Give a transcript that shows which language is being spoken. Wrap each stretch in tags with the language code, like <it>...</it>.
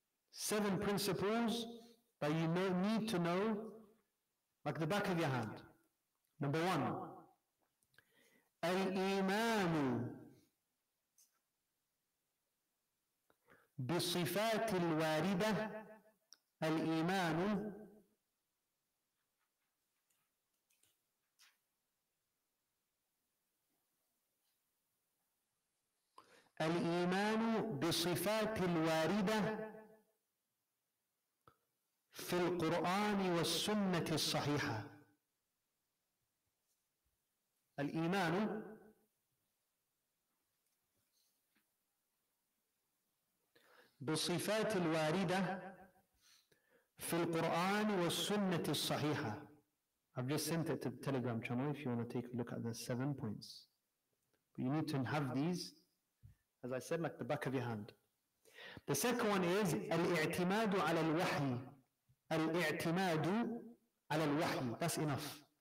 <en>Seven principles that you need to know like the back of your hand. Number one,</en> <ar>al-iman بصفات الواردة. الإيمان الإيمان بصفات الواردة في القرآن والسنة الصحيحة. الإيمان بالصفات الواردة في القرآن والسنة الصحيحة.</ar> <en>I've just sent it to the Telegram channel if you want to take a look at the seven points. But you need to have these, as I said, like the back of your hand. The second one is</en> <ar>الاعتماد على الوحي. الاعتماد على الوحي.</ar> <en>That's enough.</en>